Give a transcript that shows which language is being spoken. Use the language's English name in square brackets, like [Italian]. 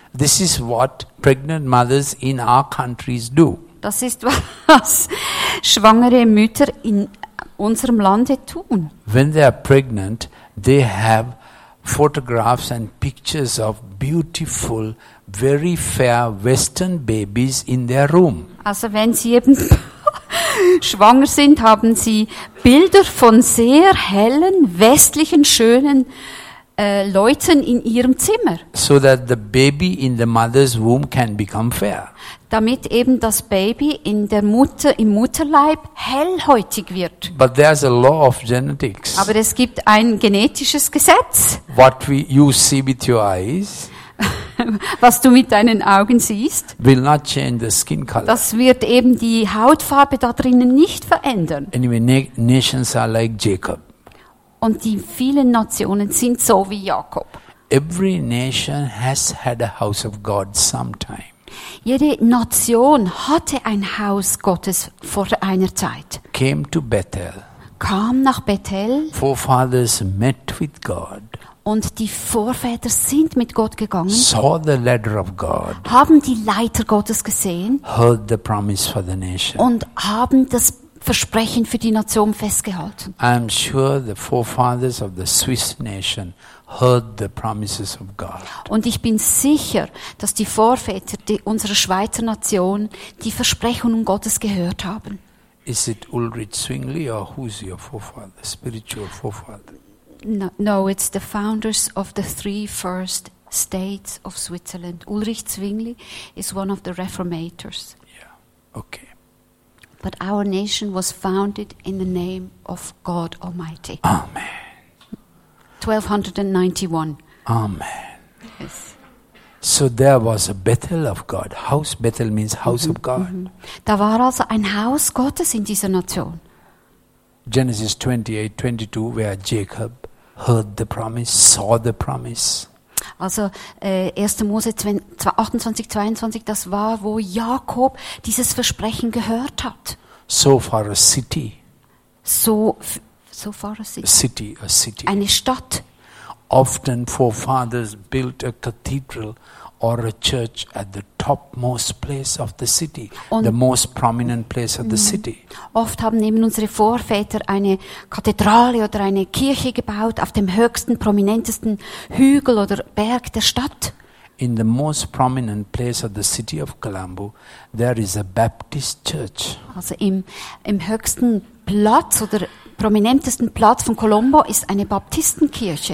[English] This is what pregnant mothers in our countries do. [German] Das ist, was schwangere Mütter in unserem Lande tun. [English] When they are pregnant, they have photographs and pictures of beautiful, very fair Western babies in their room. [German] Also wenn sie eben schwanger sind, haben sie Bilder von sehr hellen, westlichen, schönen Leuten in ihrem Zimmer. [English] So that the baby in the mother's womb can become fair. [German] Damit eben das Baby in der Mutter, im Mutterleib hellhäutig wird. [English] But there's a law of genetics. [German] Aber es gibt ein genetisches Gesetz. [English] What you see with your eyes, [German] was du mit deinen Augen siehst, [English] will not change the skin color. [German] Das wird eben die Hautfarbe da drinnen nicht verändern. [English] Anyway, nations are like Jacob. [German] Und die vielen Nationen sind so wie Jakob. [English] Every nation has had a house of God sometime. [German] Jede Nation hatte ein Haus Gottes vor einer Zeit. [English] Came to Bethel. [German] Kam nach Bethel. [English] Forefathers met with God. [German] Und die Vorväter sind mit Gott gegangen. [English] Saw the ladder of God. [German] Haben die Leiter Gottes gesehen. [English] Heard the promise for the nation. [German] Und haben das Versprechen für die Nation festgehalten. [English] I am sure the forefathers of the Swiss nation heard the promises of God. [German] Und ich bin sicher, dass die Vorväter unserer Schweizer Nation die Versprechungen Gottes gehört haben. [English] Is it Ulrich Zwingli or who's your forefather, spiritual forefather? No, it's the founders of the three first states of Switzerland. Ulrich Zwingli is one of the reformators. Yeah. Okay. But our nation was founded in the name of God Almighty. Amen. 1291. Amen. Yes. So there was a Bethel of God. House Bethel means house of God. [German] Da war also ein Haus Gottes in dieser Nation. [English] Genesis 28:22, where Jacob heard the promise, saw the promise. [German] Also 1. Mose 28:22, das war, wo Jakob dieses Versprechen gehört hat. [English] So for a city. So far a city. A city. [German] Eine Stadt. [English] Often forefathers built a cathedral or a church at the topmost place of the city, [German] und [English] the most prominent place of the city. [German] Oft haben eben unsere Vorväter eine Kathedrale oder eine Kirche gebaut auf dem höchsten, prominentesten Hügel oder Berg der Stadt. [English] In the most prominent place of the city of Colombo, there is a Baptist church. [German] Also im höchsten Platz oder prominentesten Platz von Colombo ist eine Baptistenkirche.